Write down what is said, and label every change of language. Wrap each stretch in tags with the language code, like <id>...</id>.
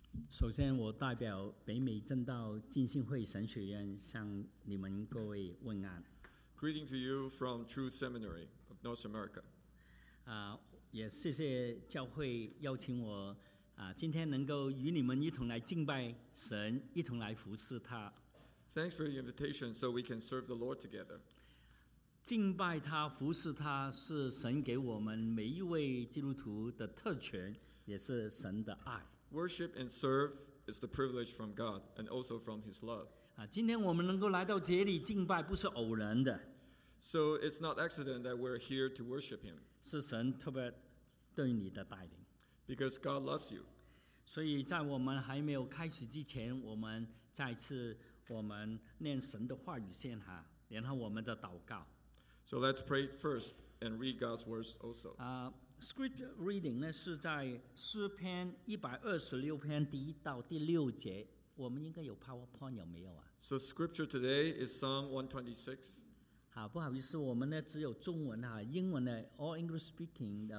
<zh>首先，我代表北美正道浸信会神学院向你们各位问安。</zh> <en>Greeting to you from True Seminary of North America.</en> <zh>也谢谢教会邀请我今天能够与你们一同来敬拜神，一同来服侍他。</zh> <en>Thanks for the invitation, so we can serve the Lord together.</en> <zh>敬拜他、服侍他是神给我们每一位基督徒的特权，也是神的爱。</zh> <en>Worship and serve is the privilege from God and also from His love.</en> <zh>今天我们能够来到这里敬拜不是偶然的。</zh> <en>So it's not accident that we're here to worship Him.</en> <zh>是神特别对你的带领。</zh> <en>Because God loves you.</en> <zh>所以在我们还没有开始之前，我们再次我们念神的话语先哈，然后我们的祷告。</zh> <en>So let's pray first and read God's words also. Script reading</en> <zh>呢是在诗篇126篇第一到第六节。我们应该有 PowerPoint 有没有啊</zh> <en>？So scripture today is Psalm 126.</en> <zh>好，不好意思，我们呢只有中文哈，英文呢</zh> <en>all English speaking.</en>